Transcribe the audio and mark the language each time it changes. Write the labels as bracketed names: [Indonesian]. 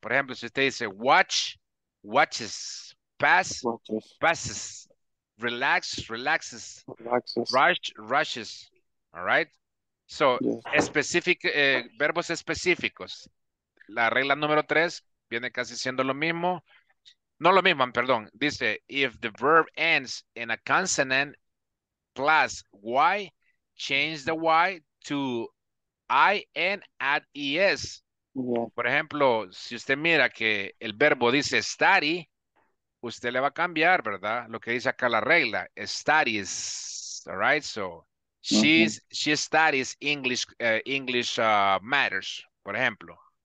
[Spanish] Por ejemplo, si usted dice [English] watch, watches, pass, passes, relax, relaxes, rush, rushes, all right? [Spanish] So, verbos específicos. La regla número tres viene casi siendo lo mismo. No lo mismo, perdón. [English] Dice, if the verb ends in a consonant plus Y, change the Y to I and add ES. Yeah. [Spanish] Por ejemplo, si usted mira que el verbo dice study, usted le va a cambiar, ¿verdad? Lo que dice acá la regla, studies, [English] all right? So, she studies English matters, [Spanish] por ejemplo.